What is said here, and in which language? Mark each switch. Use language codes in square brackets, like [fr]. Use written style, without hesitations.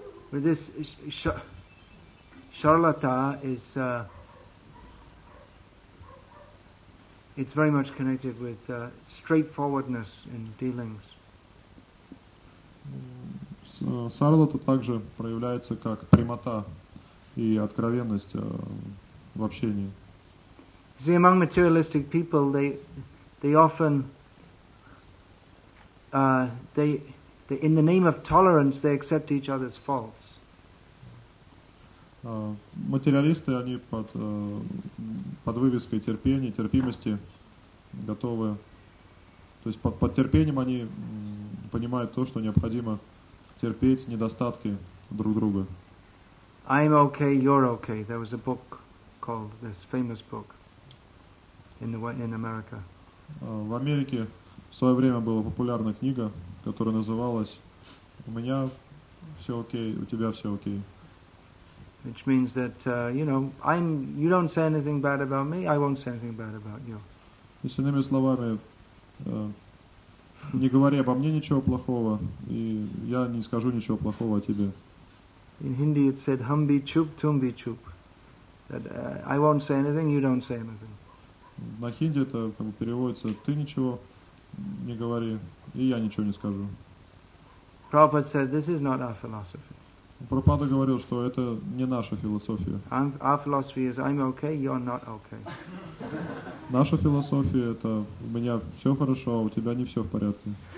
[en] With this charlata is. It's very much connected with straightforwardness in dealings. [ru] Шарлатан также проявляется как прямота и откровенность в общении. [en] See, among materialistic people, they often in the name of tolerance they accept each other's faults. [ru] Материалисты они под вывеской терпения, терпимости готовы, то есть под терпением они понимают то, что необходимо терпеть недостатки друг друга. [en] I'm okay, you're okay. There was a book called this famous book in America. [ru] В Америке в свое время была популярна книга, которая называлась «У меня все окей, у тебя все окей». [en] Which means that you don't say anything bad about me, I won't say anything bad about you. [ru] И с иными словами, не говори обо мне ничего плохого, и я не скажу ничего плохого о тебе. [en] In Hindi it said [hi] hum bhi chup, tum bhi chup. [en] That I won't say anything, you don't say anything. [ru] На хинди это как бы переводится ты ничего не говори, и я ничего не скажу. [en] Prabhupada said this is not our philosophy. [ru] Прабхупада говорил, что это не наша философия. [en] Our philosophy is I'm okay, you're not okay. [ru] Наша философия это у меня все хорошо, а у тебя не все в порядке.